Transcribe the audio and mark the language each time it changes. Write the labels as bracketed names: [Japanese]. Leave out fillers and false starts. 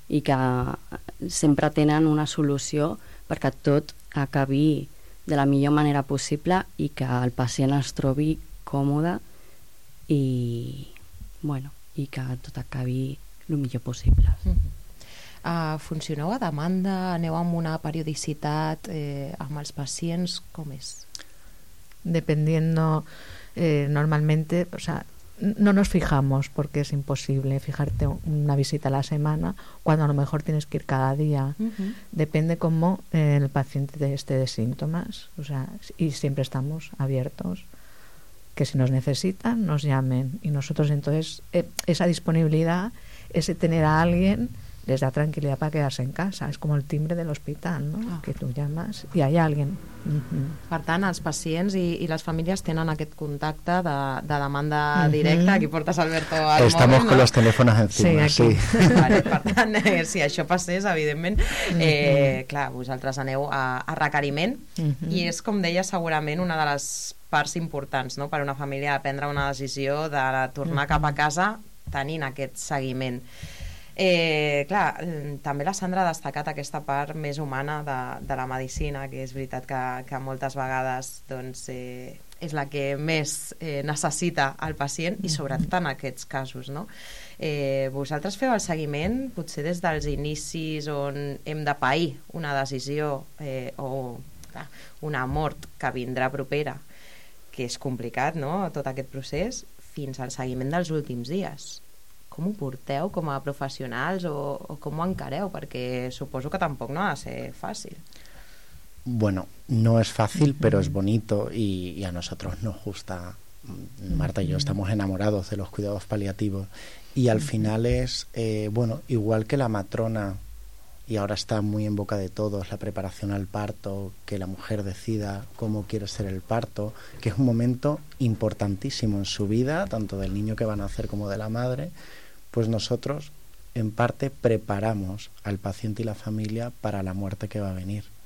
[Catalan] I que sempre tenen una solució perquè tot acabi de la millor manera possible i que el pacient es trobi còmode i, bueno, i que tot acabi el millor possible. Mm-hmm. Funcioneu a demanda? Aneu amb una periodicitat amb els pacients? Com és? [Spanish] Dependiendo, normalmente, o sea, no nos fijamos porque es imposible fijarte una visita a la semana cuando a lo mejor tienes que ir cada día. Uh-huh. Depende cómo el paciente esté de síntomas, o sea, y siempre estamos abiertos que si nos necesitan nos llamen, y nosotros entonces esa disponibilidad, ese tener a alguien, les da tranquilidad para quedarse en casa. Es como el timbre del hospital, ¿no? Ah. Que tú llamas y hay alguien. Mm-hmm. [Catalan] Per tant, els pacients i les famílies tenen aquest contacte de demanda directa. Mm-hmm. Aquí portes Alberto al mòbil. [Spanish] Estamos con los teléfonos encima. [Catalan] Sí, sí. Vale, per tant, si això passés, evidentment, clar, vosaltres aneu a requeriment. Mm-hmm. I és, com deia, segurament una de les parts importants, no?, per una família de prendre una decisió de tornar mm-hmm. cap a casa tenint aquest seguiment. Clar, també la Sandra ha destacat aquesta part més humana de la medicina, que és veritat que moltes vegades doncs, és la que més necessita el pacient, i sobretot en aquests casos, no? Vosaltres feu el seguiment potser des dels inicis on hem de pair una decisió o clar, una mort que vindrà propera, que és complicat, no?, tot aquest procés, fins al seguiment dels últims dies. Com ho porteu com a professionals o com ho encareu? Perquè suposo que tampoc no ha de ser fàcil. [Spanish] bueno, no es fácil, pero es bonito y a nosotros nos gusta. Marta y yo estamos enamorados de los cuidados paliativos. Y al final es, bueno, igual que la matrona, y ahora está muy en boca de todos, la preparación al parto, que la mujer decida cómo quiere ser el parto, que es un momento importantísimo en su vida, tanto del niño que va a nacer como de la madre, pues nosotros, en parte, preparamos al paciente y la familia para la muerte que va a venir.